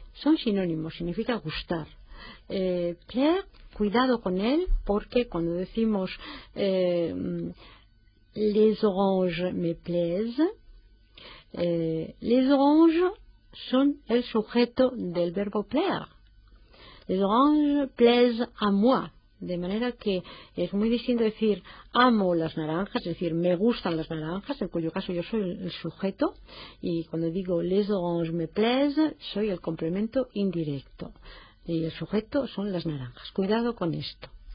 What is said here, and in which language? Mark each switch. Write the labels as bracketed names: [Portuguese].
[Spanish] Son sinónimos, significa gustar. Plaire, cuidado con él, porque cuando decimos [French] les oranges me plaisent, les oranges [Spanish] son el sujeto del verbo plaire. [French] Les oranges plaisent à moi. [Spanish] De manera que es muy distinto decir amo las naranjas, es decir, me gustan las naranjas, en cuyo caso yo soy el sujeto, y cuando digo [French] les oranges me plaisent, [Spanish] soy el complemento indirecto. Y el sujeto son las naranjas. Cuidado con esto.